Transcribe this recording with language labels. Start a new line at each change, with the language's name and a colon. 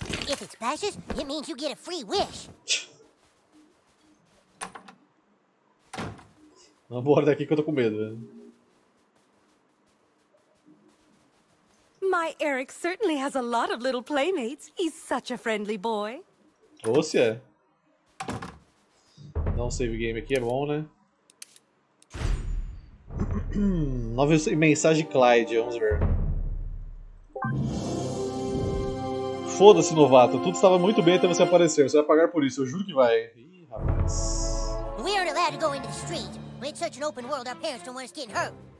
English: If it splashes, it means you get a free wish.
Portuguese: Vamos embora daqui que eu tô com medo, velho.
English: My Eric certainly has a lot of little playmates. He's such a friendly boy.
Portuguese: Ou se é. Dá um save game aqui, é bom, né? Nova mensagem Clyde, vamos ver. Foda-se, novato. Tudo estava muito bem até você aparecer. Você vai pagar por isso, eu juro que vai. Ih, rapaz.
English: We aren't allowed to go into the street. We're in such an open world, our parents don't want us getting hurt.